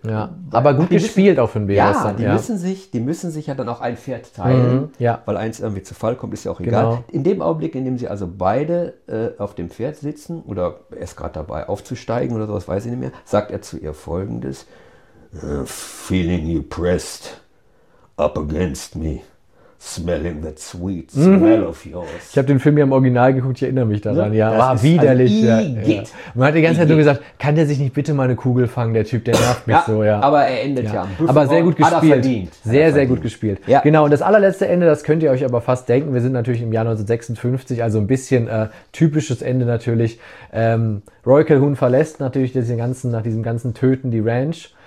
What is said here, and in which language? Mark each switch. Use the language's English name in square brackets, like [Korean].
[German] Ja. Aber gut gespielt auch für den Bärs. Die müssen sich ja dann auch ein Pferd teilen, weil eins irgendwie zu Fall kommt, ist ja auch egal. Genau. In dem Augenblick, in dem sie also beide auf dem Pferd sitzen oder erst gerade dabei aufzusteigen oder sowas, weiß ich nicht mehr, sagt er zu ihr folgendes. [English] Feeling you pressed up against me, smelling that sweet smell of yours. [German] Ich habe den Film ja im Original geguckt, ich erinnere mich daran. Ja, war widerlich. Man hat die ganze Zeit nur gesagt, kann der sich nicht bitte mal eine Kugel fangen, der Typ, der nervt mich so. Ja. Aber er endet am Büffel. Aber sehr gut gespielt. Sehr gut gespielt. Ja. Genau, und das allerletzte Ende, das könnt ihr euch aber fast denken, wir sind natürlich im Jahr 1956, also ein bisschen typisches Ende natürlich. Roy Calhoun verlässt natürlich nach diesem ganzen Töten die Ranch.